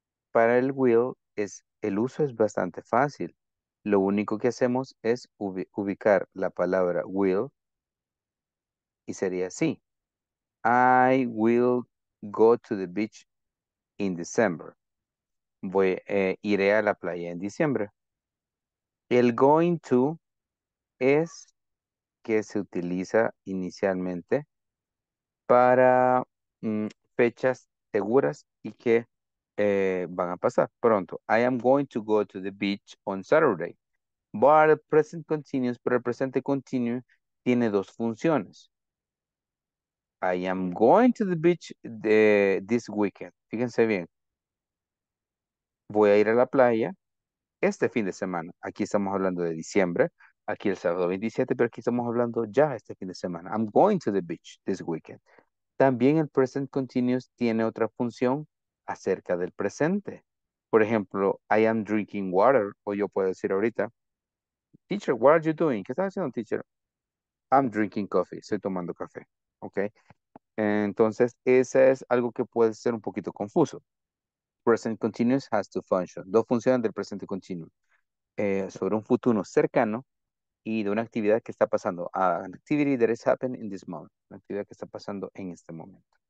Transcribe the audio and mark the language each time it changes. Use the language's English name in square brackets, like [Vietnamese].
[Spanish] Para el will es el uso es bastante fácil. Lo único que hacemos es ubicar la palabra will y sería así. [English] I will go to the beach in December. [Spanish] Iré a la playa en diciembre. El going to es que se utiliza inicialmente para fechas seguras y que van a pasar pronto. [English] I am going to go to the beach on Saturday. But present continuous, [Spanish] pero el presente continuo tiene dos funciones. [English] I am going to the beach this weekend. [Spanish] Fíjense bien. Voy a ir a la playa este fin de semana. Aquí estamos hablando de diciembre. Aquí el sábado 27, pero aquí estamos hablando ya este fin de semana. [English] I'm going to the beach this weekend. [Spanish] También el present continuous tiene otra función acerca del presente. Por ejemplo, [English] I am drinking water. [Spanish] O yo puedo decir ahorita, [English] teacher, what are you doing? [Spanish] ¿Qué estás haciendo, teacher? [English] I'm drinking coffee. [Spanish] Estoy tomando café. ¿Ok? Entonces, ese es algo que puede ser un poquito confuso. [English] Present continuous has two functions. [Spanish] Dos funciones del presente continuo. Sobre un futuro cercano y de una actividad que está pasando. [English] An activity that has happened in this moment. [Spanish] Una actividad que está pasando en este momento.